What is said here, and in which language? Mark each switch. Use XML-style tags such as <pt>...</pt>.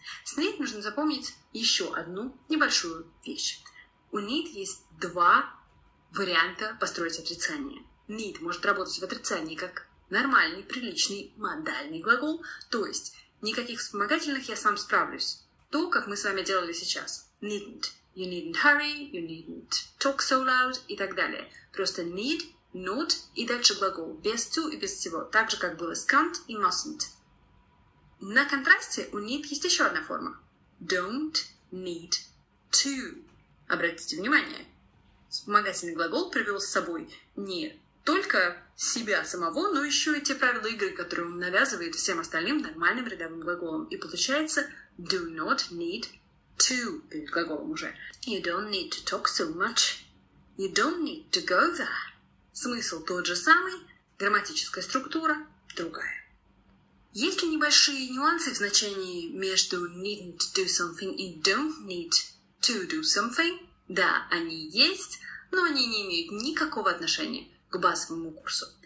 <ru>С need нужно запомнить еще одну небольшую вещь. У need есть два варианта построить отрицание. Need может работать в отрицании как нормальный, приличный, модальный глагол, то есть никаких вспомогательных «я сам справлюсь». То, как мы с вами делали сейчас.</ru> <en>Needn't. You needn't hurry, you needn't talk so loud</en> <ru>и так далее. Просто need, not и дальше глагол без to и без всего, так же, как было с can't и mustn't. На контрасте у need есть еще одна форма.</ru> <en>Don't need to.</en> <ru>Обратите внимание, вспомогательный глагол привел с собой не только себя самого, но еще и те правила игры, которые он навязывает всем остальным нормальным рядовым глаголам. И получается</ru> <en>do not need to</en> <ru>перед глаголом уже.</ru> <en>You don't need to talk so much. You don't need to go there.</en> <ru>Смысл тот же самый, грамматическая структура другая. Есть ли небольшие нюансы в значении между</ru> <en>needn't do something</en> <ru>и</ru> <en>don't need to do something?</en> <ru>Да, они есть, но они не имеют никакого отношения к базовому курсу.</ru>